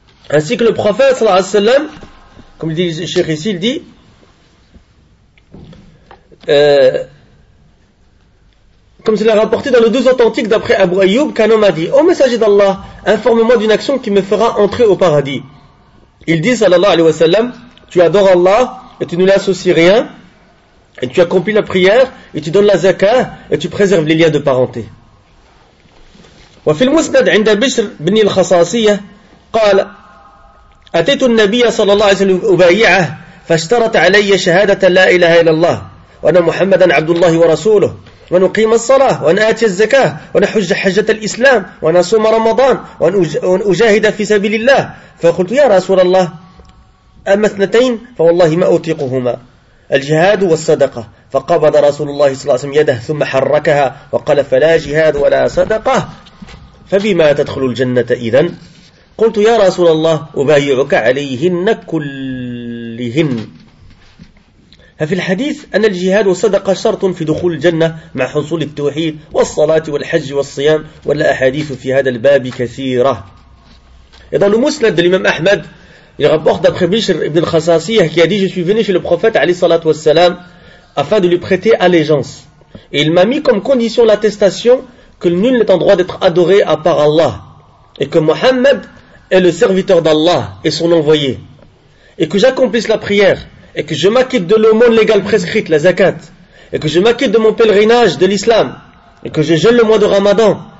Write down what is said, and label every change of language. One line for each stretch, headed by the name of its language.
French: Ainsi que le prophète, sallallahu alayhi wa sallam, comme dit le cheikh ici, il dit, comme cela est rapporté dans le deux authentiques d'après Abu Ayyub, qu'un homme a dit, ô messager d'Allah, informe-moi d'une action qui me fera entrer au paradis. Il dit, sallallahu alayhi wa sallam, tu adores Allah, et tu ne lui associes rien, et tu accomplis la prière, et tu donnes la zakah, et tu préserves les liens de parenté.
Arabic: وفي المسند عند بشر بن الخصاصية قال أتيت النبي صلى الله عليه وسلم أبايعه فاشترط علي شهادة لا إله إلا الله وأنا محمدا عبد الله ورسوله وأن أقيم الصلاة وأن آتي الزكاة وأن أحج حجة الإسلام وأن أصوم رمضان وأن أجاهد في سبيل الله فقلت يا رسول الله أما اثنتين فوالله ما أطيقهما الجهاد والصدقة فقبض رسول الله صلى الله عليه وسلم يده ثم حركها وقال فلا جهاد ولا صدقة فبما تدخل الجنة إذن قلت يا رسول الله أبايعك عليهن كلهن ففي الحديث أن الجهاد والصدقة شرط في دخول الجنة مع حصول التوحيد والصلاة والحج والصيام والأحاديث في هذا الباب كثيرة إذا المسند الإمام أحمد
French: Il rapporte d'après Bishr ibn al-Khassasiyah qui a dit « Je suis venu chez le prophète alayhi salat wa salam afin de lui prêter allégeance. Et il m'a mis comme condition l'attestation que nul n'est en droit d'être adoré à part Allah et que Mohammed est le serviteur d'Allah et son envoyé et que j'accomplisse la prière et que je m'acquitte de l'aumône légale prescrite, la zakat et que je m'acquitte de mon pèlerinage de l'islam et que je jeûne le mois de Ramadan